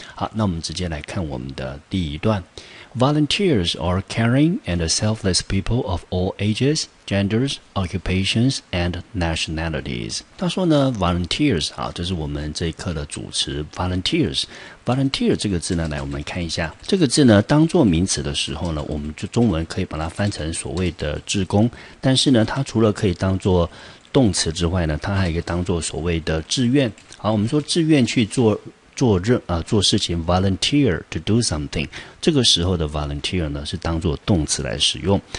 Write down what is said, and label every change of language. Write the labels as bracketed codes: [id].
[zh] 好，那我们直接来看我们的第一段。 [en] Volunteers are caring and selfless people of all ages, genders, occupations, and nationalities. [zh] 他说呢 ,volunteers, 好，这是我们这一课的主词 ,volunteers。 volunteer 这个字呢，来我们看一下，这个字呢当作名词的时候呢，我们就中文可以把它翻成所谓的志工，但是呢它除了可以当作动词之外呢，它还可以当作所谓的志愿。好，我们说志愿去做事情 [en] volunteer to do something， [zh] 这个时候的 volunteer 呢是当作动词来使用。